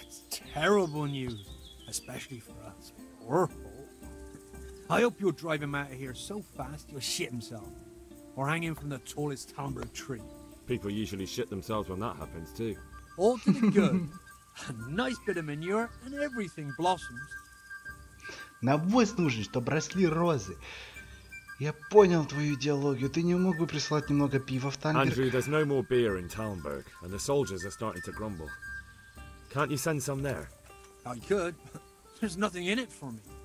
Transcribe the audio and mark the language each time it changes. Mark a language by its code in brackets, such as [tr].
[en] Terrible news, especially for us. I hope you'll drive him out of here so fast he'll shit himself. Or hang him from the tallest Talmberg tree. People usually shit themselves when that happens too. All to the good. A nice bit of manure and everything blossoms. [ru] Навозь нужен, чтобы росли розы. Я понял твою идеологию. Ты не мог бы прислать немного пива в Talmberg? [en] Andrew, there's no more beer in Talmberg, and the soldiers are starting to grumble. Can't you send some there? I could, but there's nothing in it for me.